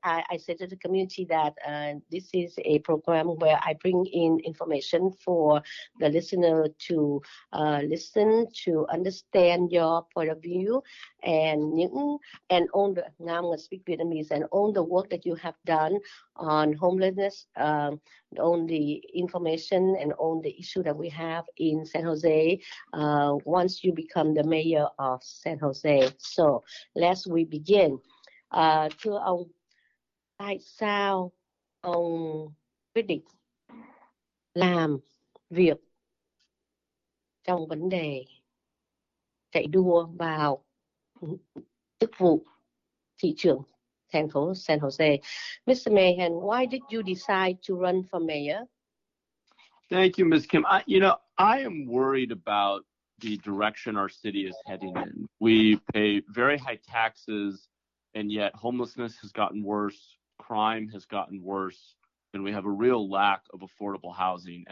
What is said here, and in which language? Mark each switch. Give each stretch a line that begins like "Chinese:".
English: I said to the community that this is a program where I bring in information for the listener to listen, to understand your point of view, and all the, now I'm going to speak Vietnamese, and all the work that you have done on homelessness, on the information and on the issue that we have in San Jose once you become the mayor of San Jose. So let's we begin.
Vietnamese: Thưa ông, tại sao ông quyết định làm việc trong vấn đề chạy đua vào chức vụ thị trưởng thành phố San Jose?
English: Mr. Mahan, why did you decide to run for mayor? Thank you, Ms. Kim. I am worried about the direction our city is heading in. We pay very high taxes, and yet homelessness has gotten worse, crime has gotten worse, and we have a real lack of affordable housing.